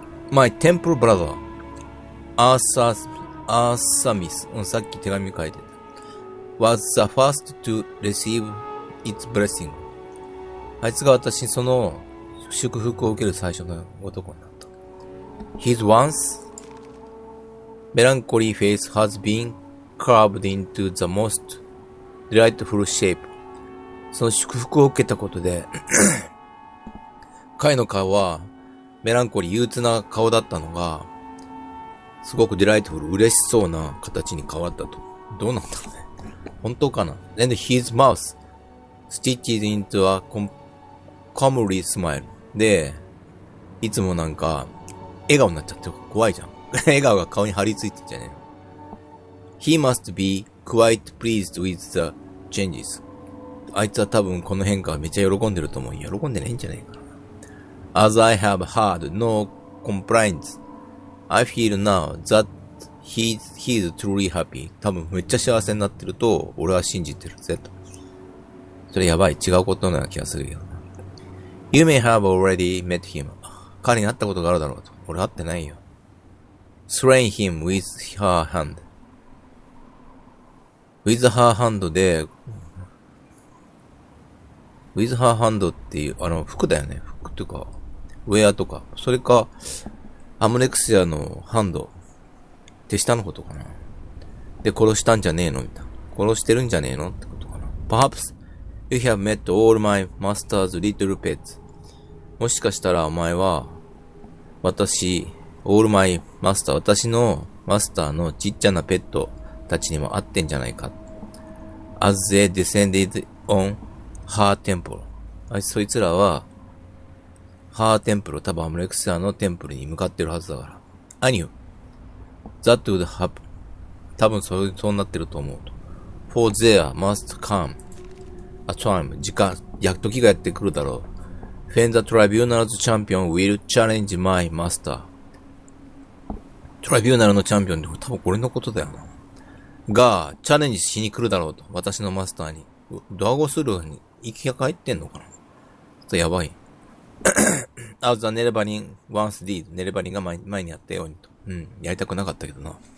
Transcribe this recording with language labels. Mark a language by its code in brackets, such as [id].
[en] My temple brother, Arsamis, [ja] さっき手紙書いてた。 [en] was the first to receive its blessing. [ja] あいつが私その祝福を受ける最初の男になった。 [en] His once melancholy face has been carved into the most delightful shape. [ja] その祝福を受けたことで、彼の顔はメランコリー憂鬱な顔だったのが、すごくデライトフル、嬉しそうな形に変わったと。どうなんだろうね。本当かな。 [en] And his mouth stitched into a comely smile. [ja] で、いつもなんか、笑顔になっちゃって怖いじゃん。笑顔が顔に張り付いてんじゃねえの。 [en] He must be quite pleased with the changes. [ja] あいつは多分この変化めっちゃ喜んでると思う。喜んでないんじゃないかな。 [en] As I have heard no complaints, I feel now that he's truly happy. [ja] 多分めっちゃ幸せになってると俺は信じてるぜと。それやばい、違うことな気がするよ。 [en] You may have already met him. [ja] 彼に会ったことがあるだろうと。俺会ってないよ。 [en] Slaying him with her hand. With her hand [ja] で、With her hand っていう、服だよね。服っていうか、ウェアとか、それか、アムレクシアのハンド、手下のことかな。で、殺したんじゃねえのみたいな。殺してるんじゃねえのってことかな。 [en] Perhaps you have met all my master's little pets. [ja] もしかしたらお前は、私、 [en] all my master, [ja] 私のマスターのちっちゃなペットたちにも会ってんじゃないか。 [en] As they descended on her temple. [ja] あいつ、そいつらは、ハーテンプル、多分アムレクシアのテンプルに向かってるはずだから。 [en] I knew. That would happen. [ja] 多分そうなってると思うと。 [en] For there must come a time. [ja] 時間、やっときがやってくるだろう。 [en] When the tribunal's champion will challenge my master. [ja] Tribunal のチャンピオンって多分俺のことだよな。が、チャレンジしに来るだろうと。私のマスターに。ドアゴスルーに行きが帰ってんのかな。とやばい。 [en] As the Nerevarin once did, [ja] Nerevarin が前にやったようにと。うん、やりたくなかったけどな。